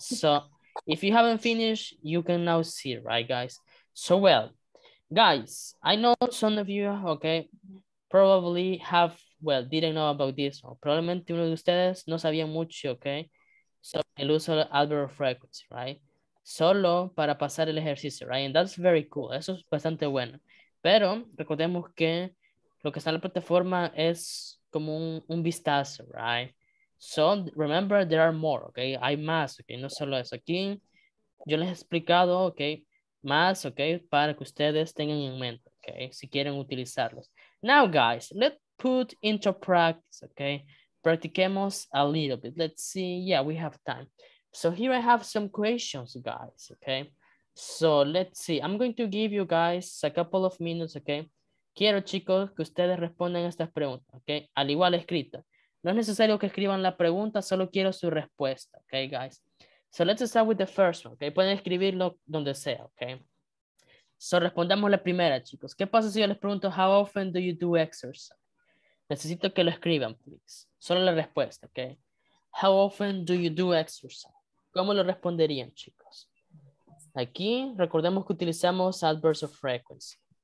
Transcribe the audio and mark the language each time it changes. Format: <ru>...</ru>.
<en>So if you haven't finished, you can now see, right, guys? So well, guys, I know some of you, okay, probably have, well, didn't know about this one.</en> <es>Probablemente uno de ustedes no sabía mucho, okay? So el uso del adverb of frequency, right? Solo para pasar el ejercicio, right?</es> <en>And that's very cool.</en> <es>Eso es bastante bueno. Pero recordemos que lo que está en la plataforma es como un vistazo, right?</es> <en>So remember, there are more, okay?</en> <es>Hay más,</es> <en>okay?</en> <es>No solo eso. Aquí yo les he explicado, okay? Más, okay? Para que ustedes tengan en mente, okay? Si quieren utilizarlos.</es> <en>Now, guys, let's put into practice, okay?</en> <es>Practiquemos</es> <en>a little bit. Let's see. Yeah, we have time. So here I have some questions, guys, okay? So let's see. I'm going to give you guys a couple of minutes, okay?</en> <es>Quiero, chicos, que ustedes respondan a estas preguntas, okay? Al igual escrito. No es necesario que escriban la pregunta, solo quiero su respuesta, okay, guys?</es> <en>So let's start with the first one, okay?</en> <es>Pueden escribirlo donde sea, okay? So respondamos la primera, chicos. ¿Qué pasa si yo les pregunto</es> <en>how often do you do exercise?</en> <es>Necesito que lo escriban, please. Solo la respuesta,</es> <en>okay? How often do you do exercise?</en> <es>¿Cómo lo responderían, chicos? Aquí recordemos que utilizamos adverbs of frequency.</es>